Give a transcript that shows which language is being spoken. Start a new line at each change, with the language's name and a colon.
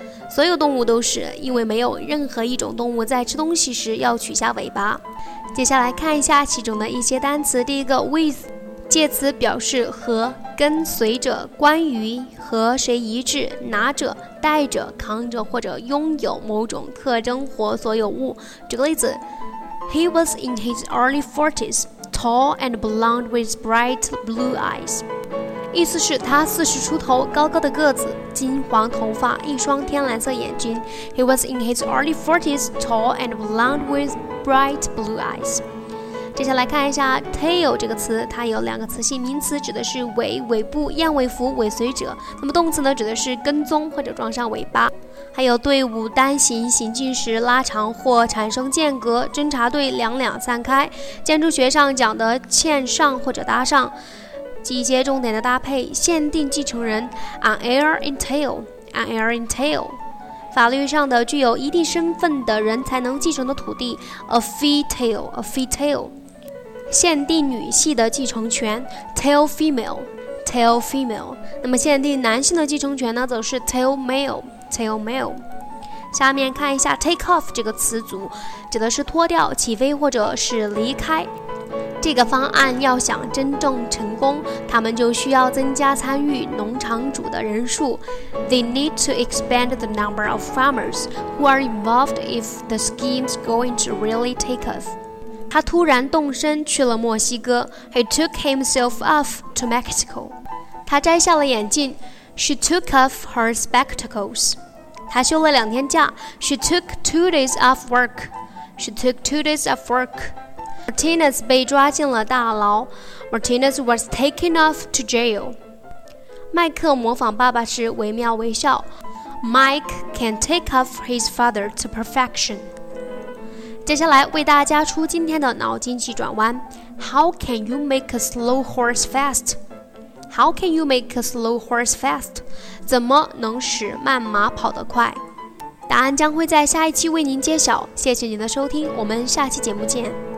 Chinese: 所有动物都是，因为没有任何一种动物在吃东西时要取下尾巴。接下来看一下其中的一些单词。第一个 with，介词表示和、跟随者、关于、和谁一致、拿着、带着、扛着或者拥有某种特征或所有物。举个例子，
English: He was in his early 40s, tall and blonde with bright blue eyes.
Chinese: 意思是他四十出头，高高的个子，金黄头发，一双天蓝色眼睛。
English: He was in his early 40s, tall and blonde with bright blue eyes.
Chinese: 接下来看一下 tail 这个词，它有两个词性，名词指的是尾、尾部、燕尾服、尾随者，那么动词呢指的是跟踪或者撞上尾巴，还有队伍单行行进时拉长或产生间隔，侦察队两两散开，建筑学上讲的嵌上或者搭上。记一些重点的搭配，限定继承人 an heir in tail, an heir in tail,法律上的具有一定身份的人才能继承的土地 ，a fee tail, a fee tail, 限定女系的继承权 ，tail female, tail female。那么限定男性的继承权呢，则是 tail male, tail male。下面看一下 take off 这个词组，指的是脱掉、起飞或者是离开。这个方案要想真正成功，他们就需要增加参与农场主的人数。
English: They need to expand the number of farmers who are involved if the scheme's going to really take off.
Chinese: 他突然动身去了墨西哥。
English: He took himself off to Mexico.
Chinese: 他摘下了眼镜。
English: She took off her spectacles.
Chinese: 他休了两天假。
English: She took 2 days off work. She took 2 days off work. Martinez
Chinese: 被抓进了大牢。
English: Martinez was taken off to jail.
Chinese: 麦克模仿爸爸时惟妙惟肖。
English: Mike can take off his father to perfection.
Chinese: 接下来为大家出今天的脑筋急转弯。
English: How can you make a slow horse fast? How can you make a slow horse fast?
Chinese: 怎么能使慢马跑得快？答案将会在下一期为您揭晓。谢谢您的收听，我们下期节目见。